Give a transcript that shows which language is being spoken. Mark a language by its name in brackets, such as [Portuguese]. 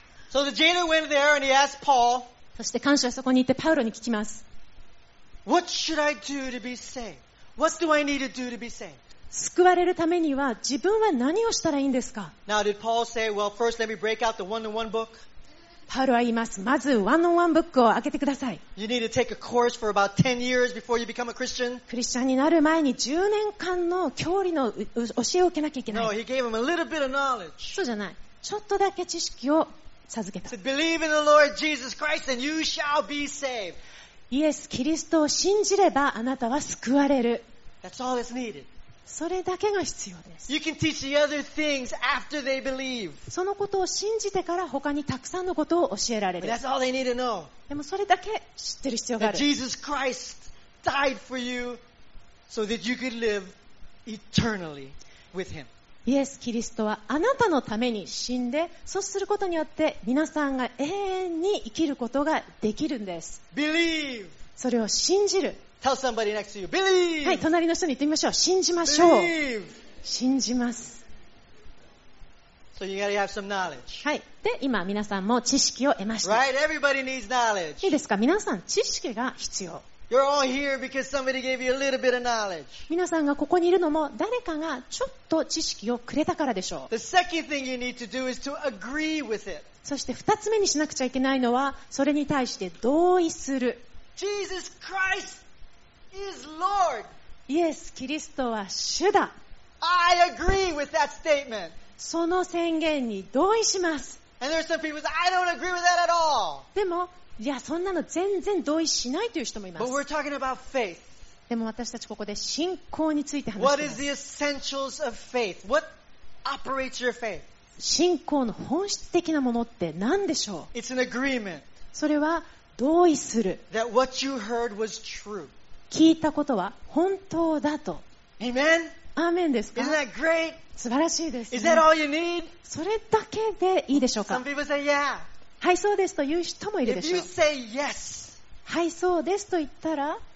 [English] So the jailer went there and he asked Paul, [Japanese] そして看守はそこに行ってパウロに聞きます。 [English] What should I do to be saved? What do I need to do to be saved? [Japanese] 救われるためには自分は何をしたらいいんですか。 [English] Now, did Paul say, well, first let me break out the one-on-one book. [Japanese] パウロは言います。まず one-on-one ブックを開けてください。 [English] You need to take a course for about 10 years before you become a Christian. [Japanese] クリスチャンになる前に10年間の教理の教えを受けなきゃいけない。 [English] No, he gave him a little bit of knowledge. [Japanese] そうじゃない。ちょっとだけ知識を授けた。 [English] He said, believe in the Lord Jesus Christ and you shall be saved. [Japanese] イエス・キリストを信じればあなたは救われる。 [English] That's all that's needed. [Japanese] それだけが必要です。 [English] you can teach the other things after they believe. [Japanese] そのことを信じてから他にたくさんのことを教えられる。 [English] But that's all they need to know. [Japanese] でもそれだけ知ってる必要がある。 [English] Jesus Christ died for you so that you could live eternally with him. [Japanese] イエス・キリストはあなたのために死んで、そうすることによって皆さんが永遠に生きることができるんです。 [English] believe. [Japanese] それを信じる。 [English] Tell somebody next to you, believe. [Japanese] はい、隣の人に言ってみましょう。信じましょう。 [English] Believe. [Japanese] 信じます。 [English] So you gotta have some knowledge. [Japanese] はい。で、今皆さんも知識を得ました。 [English] Right? Everybody needs knowledge. [Japanese] いいですか？皆さん知識が必要。 [English] You're all here because somebody gave you a little bit of knowledge. [Japanese] 皆さんがここにいるのも誰かがちょっと知識をくれたからでしょう。 [English] The second thing you need to do is to agree with it. [Japanese] そして二つ目にしなくちゃいけないのはそれに対して同意する。 [English] Jesus Christ. Is Lord. [Japanese] イエス・キリストは主だ。 [English] I agree with that statement. [Japanese] その宣言に同意します。 [English] And there are some people that I don't agree with that at all. [Japanese] でも、いや、そんなの全然同意しないという人もいます。 [English] But we're talking about faith. [Japanese] でも私たちここで信仰について話しています。 [English] What is the essentials of faith? What operates your faith? [Japanese] 信仰の本質的なものって何でしょう。 [English] It's an agreement. [Japanese] それは同意する。 [English] That what you heard was true. [Japanese] 聞いたことは本当だと。 [English] Amen? [Japanese] アーメンですか? [English] Isn't that great? [Japanese] 素晴らしいです、ね。 [English] Is that all you need? [Japanese] それだけでいいでしょうか? [English] Some people say yeah. [Japanese] はい、そうですという人もいるでしょう。 [English] If you say yes. [Japanese] はい、そうですと言ったら、